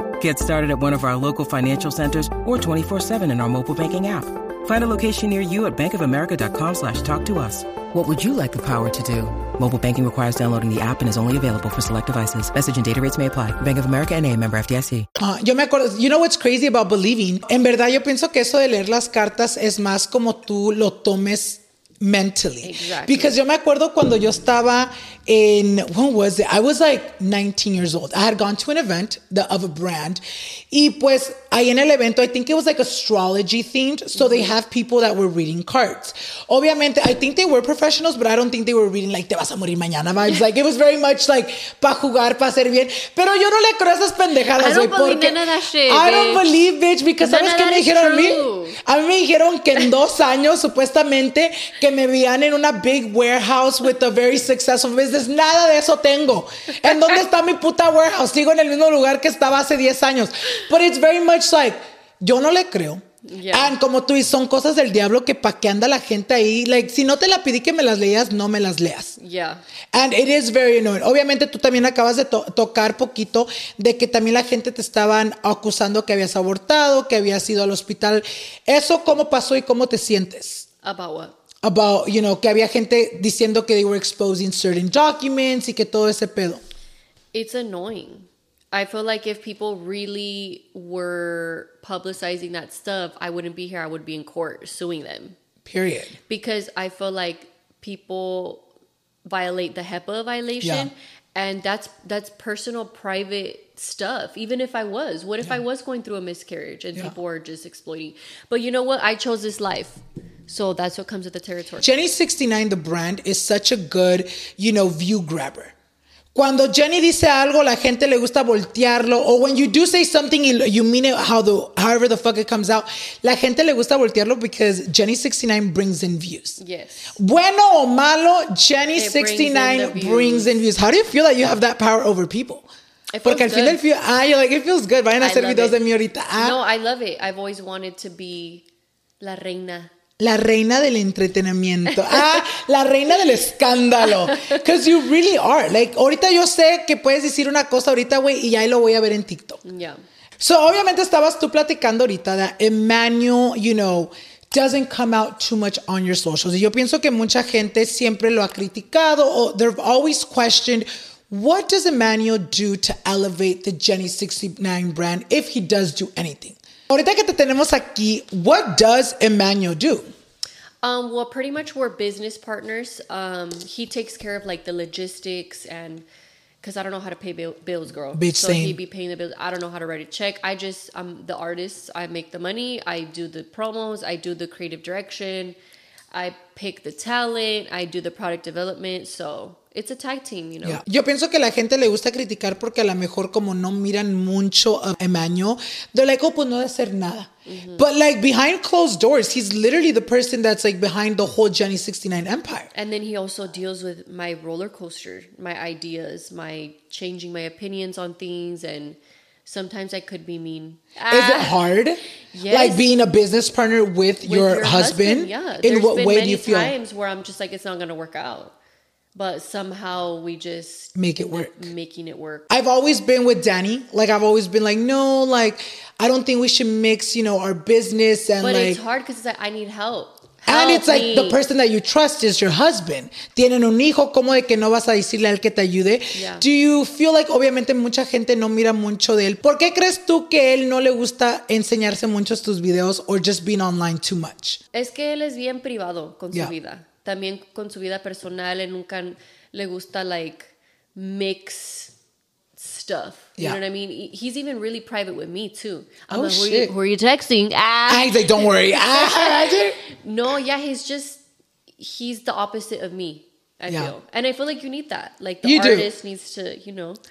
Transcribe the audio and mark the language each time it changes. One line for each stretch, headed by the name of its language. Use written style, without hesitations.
English: Get started at one of our local financial centers or 24-7 in our mobile banking app. Find a location near you at bankofamerica.com/talktous. What would you like the power to do? Mobile banking requires downloading the app and is only available for select devices. Message and data rates may apply. Bank of America NA, member FDIC.
Spanish: Yo me acuerdo,
English: you know what's crazy about believing?
Spanish: En verdad, yo pienso que eso de leer las cartas es más como tú lo tomes mentally.
English: Exactly. Because
Spanish: yo me acuerdo cuando yo estaba
English: in, when was it? I was like 19 years old. I had gone to an event of a brand.
Spanish: Y pues ahí en el evento,
English: I think it was like astrology themed. So mm-hmm. they have people that were reading cards. Obviamente, I think they were professionals, but I don't think they were reading like,
Spanish: te vas a morir mañana
English: vibes. Like, it was very much like,
Spanish: pa jugar, pa hacer bien. Pero yo no le creo a esas pendejadas.
English: I don't believe none of that shit, I don't believe, bitch, because
Spanish: sabes que me dijeron
English: true.
Spanish: A mí? A mí me dijeron que en dos años, supuestamente, que me veían en una
English: big warehouse with a very successful business.
Spanish: Nada de eso tengo. ¿En dónde está mi puta warehouse? Sigo en el mismo lugar que estaba hace 10 años.
English: But it's very much like,
Spanish: yo no le creo.
English: Yeah.
Spanish: And como tú dices, son cosas del diablo que pa' qué anda la gente ahí. Like, si no te la pedí que me las leas, no me las leas.
English: Yeah. And it is very annoying.
Spanish: Obviamente, tú también acabas de tocar poquito de que también la gente te estaban acusando que habías abortado, que habías ido al hospital. ¿Eso cómo pasó y cómo te sientes?
English: About what? About, you know,
Spanish: que había gente diciendo que
English: they were exposing certain documents
Spanish: y que todo ese pedo.
English: It's annoying. I feel like if people really were publicizing that stuff, I wouldn't be here. I would be in court suing them. Period. Because I feel like people violate the HIPAA violation. Yeah. And that's personal, private stuff. Even if I was. What if yeah. I was going through a miscarriage and yeah. people are just exploiting? But you know what? I chose this life. So that's what comes with the territory. Jenny 69, the brand, is such a good, you know, view grabber.
Spanish: Cuando Jenny dice algo, la gente le gusta voltearlo.
English: Or when you do say something, you mean it however the fuck it comes out.
Spanish: La gente le gusta voltearlo
English: because Jenny 69 brings in views. Yes.
Spanish: Bueno o malo,
English: Jenny 69 brings in views. How do you feel that you have that power over people?
Spanish: Porque al fin del
English: fin, you're like, it feels good.
Spanish: Vayan a hacer videos de mí ahorita.
English: No, I love it. I've always wanted to be la reina.
Spanish: La reina del entretenimiento. Ah, la reina del escándalo.
English: Because you really are. Like,
Spanish: ahorita yo sé que puedes decir una cosa ahorita, güey, y ahí lo voy a ver en TikTok.
English: Yeah.
Spanish: So, obviamente, estabas tú platicando ahorita de Emmanuel,
English: you know, doesn't come out too much on your socials.
Spanish: Y yo pienso que mucha gente siempre lo ha criticado o
English: they've always questioned, what does Emmanuel do to elevate the Jenny 69 brand if he does do anything?
Spanish: Ahorita que te tenemos aquí,
English: what does Emmanuel do? Well, pretty much we're business partners. He takes care of like the logistics and because I don't know how to pay bills, girl. Bitch, so same. He'd be paying the bills. I don't know how to write a check. I'm the artist. I make the money. I do the promos. I do the creative direction. I pick the talent. I do the product development. So it's a tag team, you know. Yeah.
Spanish: Yo pienso que la gente le gusta criticar porque a lo mejor como no miran mucho a Emmanuel,
English: they're like, oh,
Spanish: pues no de hacer nada. Mm-hmm.
English: But like behind closed doors, he's literally the person that's like behind the whole Jenny 69 empire. And then he also deals with my roller coaster, my ideas, my changing my opinions on things. And sometimes I could be mean. Is it hard? Yes. Like being a business partner with your husband? Yeah. In what way do you feel? There's been many times where I'm just like, it's not going to work out. But somehow we just make it work. Making it work. I've always been with Danny. Like, I've always been like, no, like, I don't think we should mix, you know, our business. And but like, it's hard because it's like, I need help. And help it's like me. The person that you trust is your husband.
Spanish: Tienen un hijo, ¿cómo de que no vas a decirle al que te ayude?
English: Yeah. Do you feel like,
Spanish: obviamente, mucha gente no mira mucho de él? ¿Por qué crees tú que él no le gusta enseñarse mucho tus videos
English: or just being online too much?
Spanish: Es que él es bien privado con yeah. su vida. También con su vida personal, él nunca le gusta, like,
English: mix stuff. Yeah. You know what I mean? He's even really private with me, too. I'm oh, like, shit. Who are you texting? He's like, don't worry. No, yeah, he's just, he's the opposite of me. I feel. And I feel like you need that. Like the artist needs to, you know.